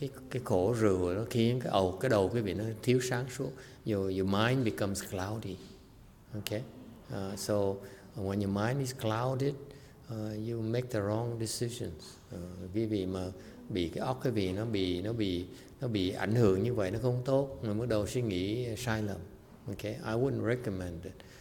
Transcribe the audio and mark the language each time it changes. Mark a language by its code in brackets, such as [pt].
[vi] Cái khổ rượu nó khiến cái đầu quý vị nó thiếu sáng suốt. [en] Your mind becomes cloudy. Okay. So when your mind is clouded, you make the wrong decisions. [vi] Quý vị mà bị cái óc quý vị nó bị ảnh hưởng như vậy nó không tốt. Mình bắt đầu suy nghĩ sai lầm. Okay. [en] I wouldn't recommend it.